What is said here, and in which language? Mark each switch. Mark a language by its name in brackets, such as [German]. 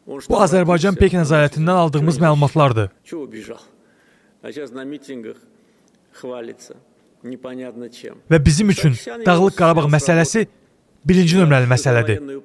[Azerbaijani] Bu Azərbaycan PEK nəzarətindən aldığımız məlumatlardır. Çox bəjal. [Russian] Сейчас на митингах хвалится. Непонятно чем. [Azerbaijani] Və bizim üçün Dağlıq Qarabağ məsələsi birinci nömrəli məsələdir.